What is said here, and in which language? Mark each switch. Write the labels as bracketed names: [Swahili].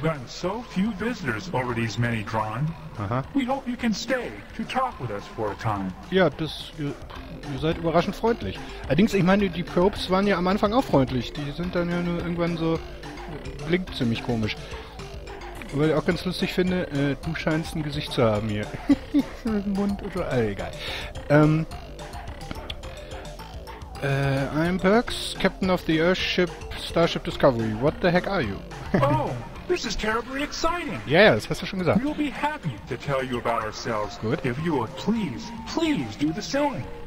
[English] Have gotten so few visitors over these many drawn. We hope you can stay to talk with us for a time. [German] Ja, das ihr seid überraschend freundlich. Allerdings, ich meine, die Probes waren ja am Anfang auch freundlich. Die sind dann ja nur irgendwann so blinkt ziemlich komisch. Weil ich auch ganz lustig finde, du scheinst ein Gesicht zu haben hier. Mund oder so, egal. [English] I'm Perks, Captain of the Earthship Starship Discovery. What the heck are you? Oh, this is terribly exciting. [German] Yeah, das hast du schon gesagt. [English] We'll be happy to tell you about ourselves. Good. If you will please, please do the same.